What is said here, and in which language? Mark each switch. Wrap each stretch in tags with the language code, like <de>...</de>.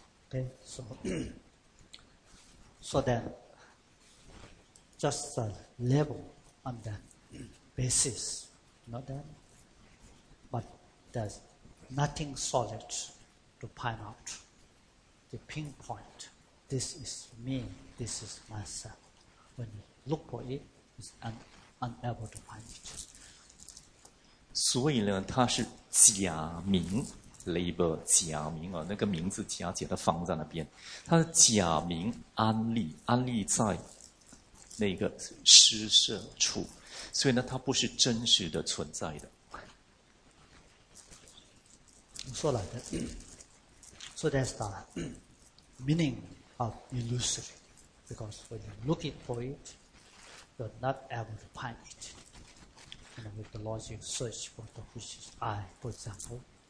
<en>Okay, so then, just the level on the basis, not that, but there's nothing solid to point out, to pinpoint, this is me, this is myself. When you look for it, it's unable to find it.</en> <zh>所以呢，它是假名。 label 假名啊，那个名字假假的放在那边，他的假名安立，安立在那个施舍处，所以呢，他不是真实的存在的。说来的</zh> <en>，so that's the meaning of illusory, because when you're looking for it, you're not able to find it. And with the logic search for the which is I, for example.</en>